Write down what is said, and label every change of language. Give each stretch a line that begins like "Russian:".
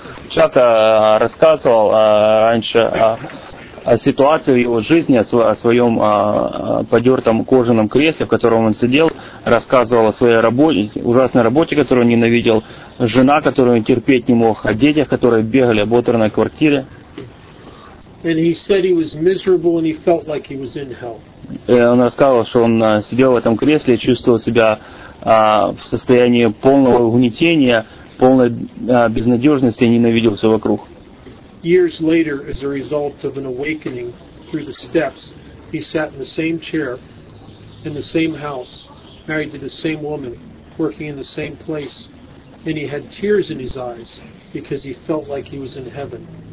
Russian: Чак рассказывал раньше о ситуации в его жизни, о своем подертом кожаном кресле, в котором он сидел, рассказывал о своей работе, ужасной работе, которую он ненавидел, жена, которую он терпеть не мог, о детях, которые бегали ободранной квартире.
English: And he said he was miserable and he felt like he was in hell.
Russian: Он рассказывал, что он сидел в этом кресле и чувствовал себя в состоянии полного угнетения, полной безнадежности, ненавидел все вокруг.
English: Years later, as a result of an awakening through the steps, he sat in the same chair, in the same house, married to the same woman, working in the same place, and he had tears in his eyes because he felt like he was in heaven.